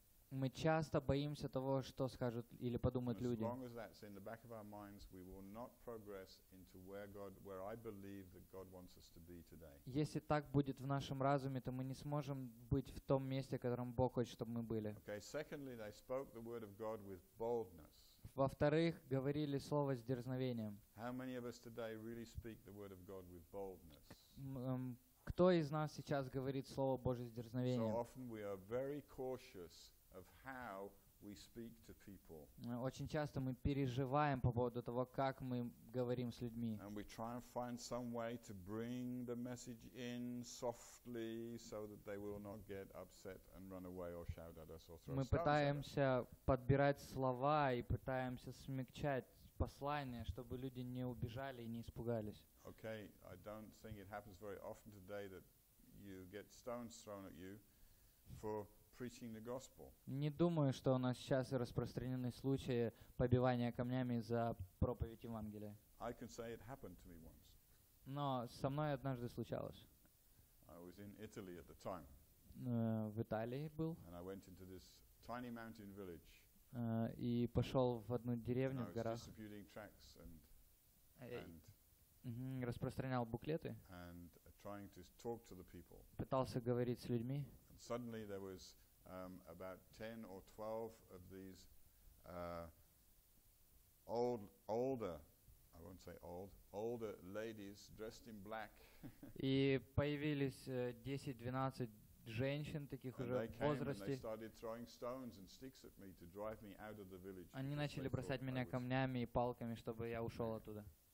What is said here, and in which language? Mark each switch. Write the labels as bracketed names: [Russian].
[Russian] Мы часто боимся того, что скажут или подумают люди. [English] As long as that's in the back of our minds, we will not progress into where I believe that God wants us to be today. [Russian] Если так будет в нашем разуме, то мы не сможем быть в том месте, в котором Бог хочет, чтобы мы были. [English] Okay, secondly, they spoke the word of God with boldness. [Russian] Во-вторых, говорили слово с дерзновением. [English] How many of us today really speak the word of God with boldness? [Russian] Кто из нас сейчас говорит слово Божье с дерзновением? [English] So often we are very cautious of how we speak to people. [Russian] Очень часто мы переживаем по поводу того, как мы говорим с людьми. [English] And we try and find some way to bring the message in softly so that they will not get upset and run away or shout at us or throw stones at us. [Russian] Мы пытаемся подбирать слова и пытаемся смягчать послание, чтобы люди не убежали и не испугались. [English] Okay, I don't think it happens very often today that you get stones thrown at you for preaching the gospel. [Russian] Не думаю, что у нас сейчас распространены случаи побивания камнями за проповедь Евангелия. [English] I can say it happened to me once. [Russian] Но со мной однажды случалось. [English] I was in Italy at the time. [Russian] В Италии был. [English] And I went into this tiny mountain village. [Russian] И пошел в одну деревню в горах. [English] Distributing tracts and [Russian] распространял буклеты. [English] And trying to talk to the people. [Russian] Пытался говорить с людьми. [English] Suddenly there was about 10 or 12 of these older ladies dressed in black. [Russian] И появились 10-12 женщин таких уже возрасте. [English] They started throwing stones and sticks at me to drive me out of the village. [Russian] Они начали бросать меня камнями и палками, чтобы я ушел оттуда.